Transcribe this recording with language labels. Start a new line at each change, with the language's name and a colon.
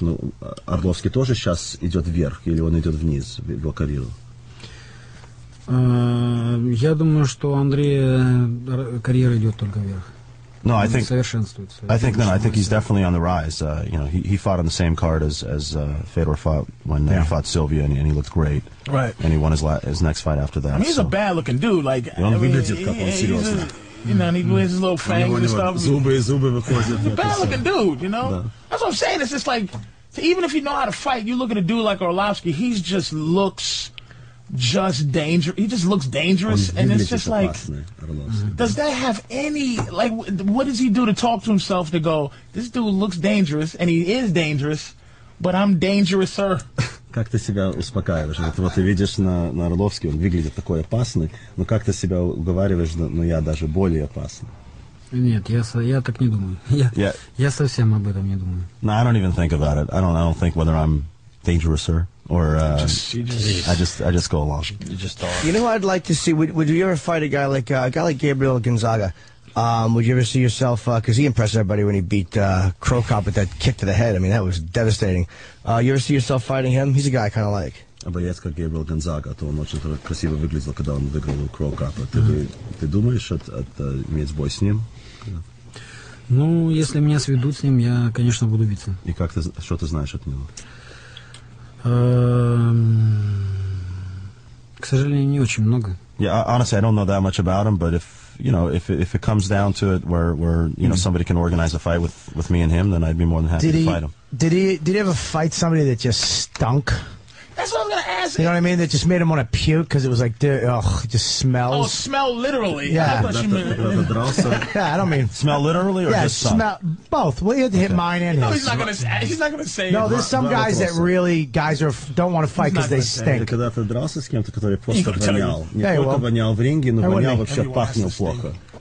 Russian: Но Arlovsky тоже сейчас идет вверх, или он идет вниз в его карьеру? Я думаю, что Андрея карьера идет только вверх.
English: No, I think he's definitely on the rise. You know, he fought on the same card as Fedor fought when he fought Silvia, and he looked great. Right. And he won his next fight after that. I mean, he's a bad-looking dude. Like, I mean, he wears his little fangs and stuff. Zuby, he's a bad-looking dude, you know? No. That's what I'm saying. It's just like, even if you know how to fight, you look at a dude like Arlovsky, he just looks... just danger. He just looks dangerous, and it's just like, does that have any, like, what does he do to talk to himself to go, this dude looks dangerous, and he is dangerous, but I'm dangerous, sir?
Russian: Как ты себя успокаиваешь? Вот, вот ты видишь на Орловске, он выглядит такой опасный, но как ты себя уговариваешь, ну я даже более опасный? Нет, я так не думаю. Я совсем об этом не думаю.
English: No, I don't even think about it. I don't think whether I'm dangerous, sir. Or I just go along. You know, I'd like to see. Would you ever fight a guy like Gabriel Gonzaga? Would you ever see yourself? Because he impressed everybody when he beat Krokop with that kick to the head. I mean, that was devastating. You ever see yourself fighting him? He's a guy I kind of like. But yes,
Russian: как Gabriel Gonzaga, то он очень красиво выглядел, когда он выиграл Крокопа. Ты думаешь от иметь бой с ним? Ну, если меня сведут с ним, я конечно буду биться. И как ты, что ты знаешь от него? К сожалению, не очень много.
English: Yeah, honestly, I don't know that much about him, but if, you know, if it comes down to it where you know, somebody can organize a fight with me and him, then I'd be more than happy to fight him. Did he ever fight somebody that just stunk? That's what I'm going to ask. You know what I mean? That just made him want to puke because it was like, ugh, it just smells. Oh, smell literally. Yeah. Yeah, I don't mean. Smell literally or yeah, just stunk? Smell both. Well, you have to hit mine and his. No, he's not going to say. No, there's some guys that really, guys are don't want to fight because they stink.
Russian: Когда ты дрался с кем-то, который просто вонял. Не только вонял в ринге, но вонял вообще пахнет плохо.